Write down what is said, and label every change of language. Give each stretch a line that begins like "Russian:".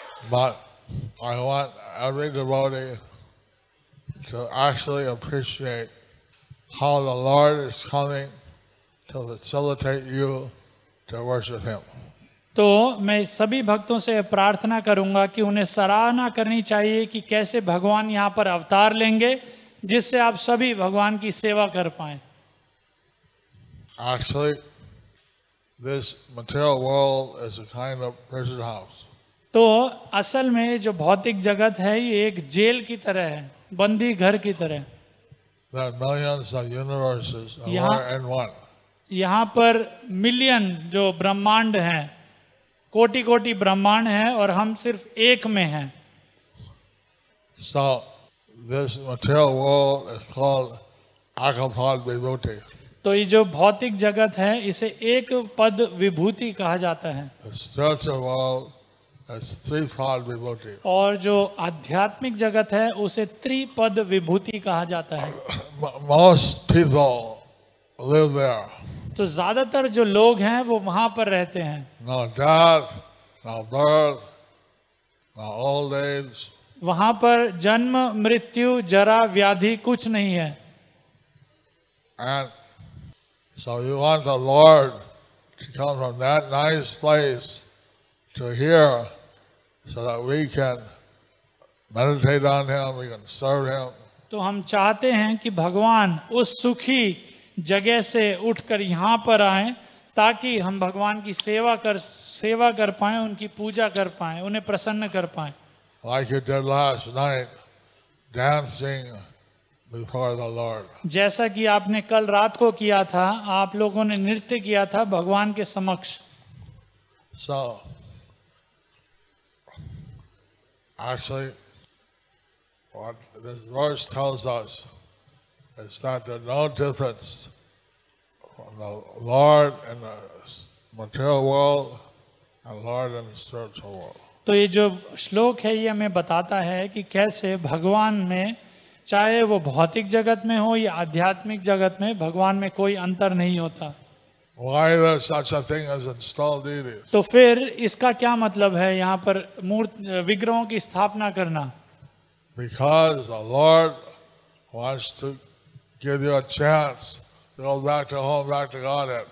English: But I want every devotee to actually appreciate how the Lord is coming to facilitate you to worship him
Hindi: तो मैं सभी भक्तों से प्रार्थना करूंगा कि उन्हें सराहना करनी चाहिए कि कैसे भगवान यहां पर अवतार लेंगे जिससे आप सभी भगवान की सेवा कर पाएं।
English: Actually, this material world is a kind of prison house.
Hindi: तो असल में जो भौतिक जगत है ये एक जेल की तरह है, बंदी घर की तरह।
English: There are millions of universes are in one.
Hindi: यहाँ पर मिलियन जो ब्रह्मांड हैं, कोटि-कोटि ब्रह्मांड हैं और हम सिर्फ एक में हैं।
English: So. This material world is called Akapad Vibhuti.
Hindi: तो ये जो भौतिक जगत है इसे एक पद विभूति कहा जाता है
English: The spiritual world is threefold vibhuti.
Hindi: और जो आध्यात्मिक जगत है उसे त्रिपद विभूति कहा जाता है
English: Most people live there.
Hindi: तो ज्यादातर जो लोग हैं वो वहां पर रहते हैं
English: Now death, now birth, now old age.
Hindi: वहां पर जन्म मृत्यु जरा व्याधि कुछ नहीं है
English: And so you want the Lord to come from that nice place to here so that we can meditate on him we can serve him
Hindi: तो हम चाहते हैं कि भगवान उस सुखी जगह से उठकर यहां पर आए ताकि हम भगवान की सेवा कर पाएं उनकी पूजा कर पाएं उन्हें प्रसन्न कर पाएं
English: Like you did last night, dancing before the Lord.
Hindi: जैसा कि आपने कल रात को किया था, आप लोगों ने नृत्य किया था भगवान के समक्ष.
English: So, actually, what this verse tells us is that there's no difference from the Lord in the material world and Lord in the spiritual world.
Hindi: तो ये जो श्लोक है ये हमें बताता है कि कैसे भगवान में चाहे वो भौतिक जगत में हो या आध्यात्मिक जगत में भगवान में कोई अंतर नहीं होता
English: Why is there such a thing as installed deities?
Hindi: तो फिर इसका क्या मतलब है यहाँ पर मूर्ति विग्रहों की स्थापना करना
English: Because the Lord wants to give you a chance to go back to home, back to Godhead.